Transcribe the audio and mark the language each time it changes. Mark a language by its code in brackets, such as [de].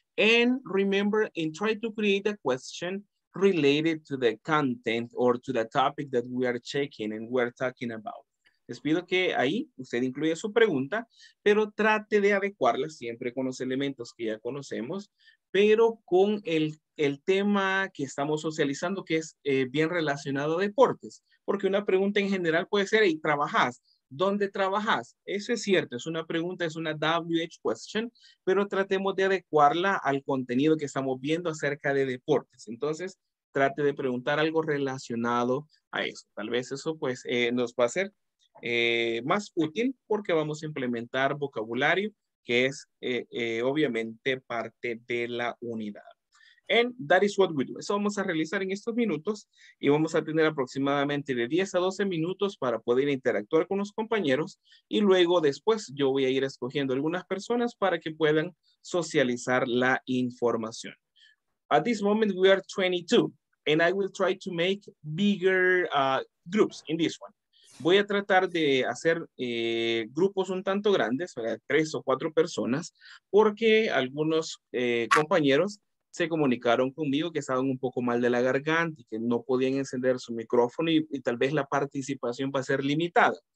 [en] And remember and try to create a question related to the content or to the topic that we are checking and we're talking about. [es] Les pido que ahí usted incluya su pregunta, pero trate de adecuarla siempre con los elementos que ya conocemos, pero con el tema que estamos socializando, que es bien relacionado a deportes. Porque una pregunta en general puede ser, ¿y trabajas? ¿Dónde trabajas? Eso es cierto, es una pregunta, es una WH question, pero tratemos de adecuarla al contenido que estamos viendo acerca de deportes. Entonces, trate de preguntar algo relacionado a eso. Tal vez eso pues nos va a ser más útil porque vamos a implementar vocabulario que es obviamente parte de la unidad. [en] And that is what we do. [es] Eso vamos a realizar en estos minutos y vamos a tener aproximadamente de 10 a 12 minutos para poder interactuar con los compañeros y luego después yo voy a ir escogiendo algunas personas para que puedan socializar la información. [en] At this moment we are 22 and I will try to make bigger groups in this one. [es] Voy a tratar de hacer grupos un tanto grandes, ¿verdad? Tres o cuatro personas, porque algunos compañeros se comunicaron conmigo que estaban un poco mal de la garganta y que no podían encender su micrófono y tal vez la participación va a ser limitada.